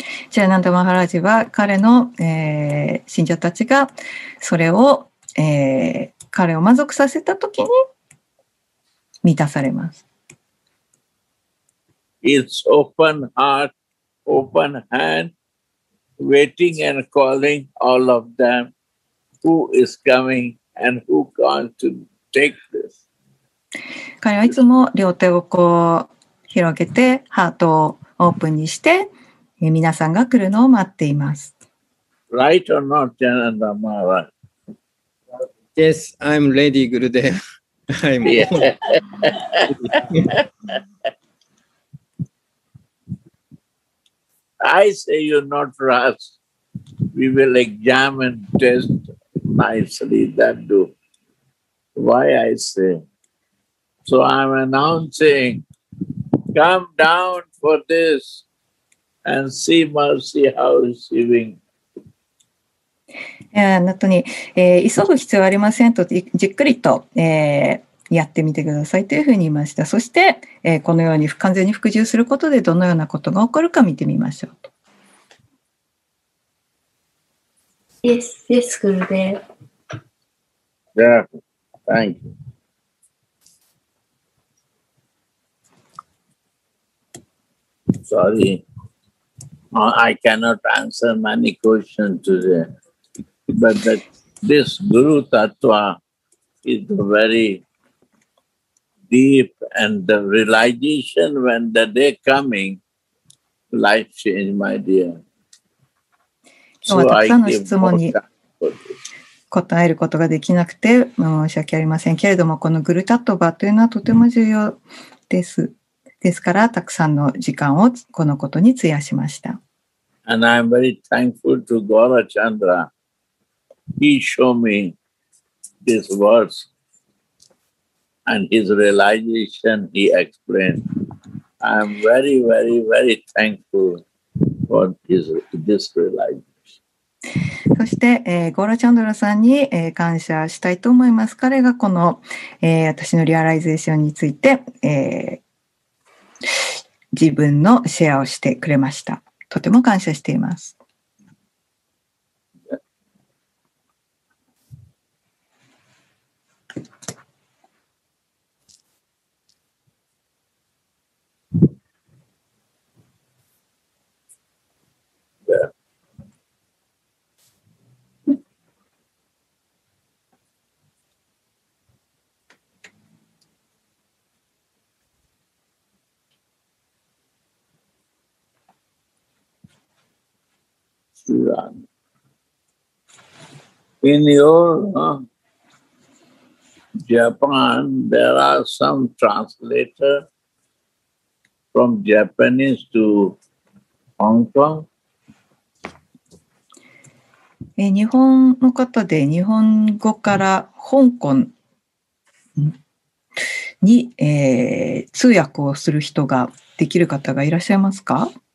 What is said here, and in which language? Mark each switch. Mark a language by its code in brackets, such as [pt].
[ja] Jananda Maharaj は彼の、信者たちがそれを、彼を満足させたときに満たされます。 [en] It's open heart, open hand, waiting and calling all of them who is coming and who can't take this. [ja] 彼はいつも両手をこう広げてハートをオープンにして皆さんが来るのを待っています。 [en] Right or not, Jananda Maharaj? Yes, I'm ready, Gurudev. I'm ready. Yeah. I say you're not rushed. We will examine, test nicely that do. Why I say? So I'm announcing, come down for this and see Mercy how receiving. [ja] あなたに、急ぐ必要ありませんとじっくりと、やってみてくださいというふうに言いました。そして、このように不完全に服従することでどのようなことが起こるか見てみましょう。 [en] Yes, yes, Gurudev. Yeah, thank you. Sorry, I cannot answer many questions today, but this Guru Tattva is very deep, and the realization when the day coming, life change, my dear. [ja] 今日はたくさんの質問に答えることができなくて申し訳ありませんけれども、このグルタトバというのはとても重要です。ですからたくさんの時間をこのことに費やしました。 [en] And I'm very thankful to Gaurachandra. He showed me this verse and his realization he explained. I'm very, very, very thankful for this realization. [ja] そして、ゴラチャンドラさんに、感謝したいと思います。彼がこの、私のリアライゼーションについて、自分のシェアをしてくれました。とても感謝しています。 [en] In your Japan, there are some translators from Japanese to Hong Kong. [ja] 日本の方で日本語から香港に、通訳をする人ができる方がいらっしゃいますか?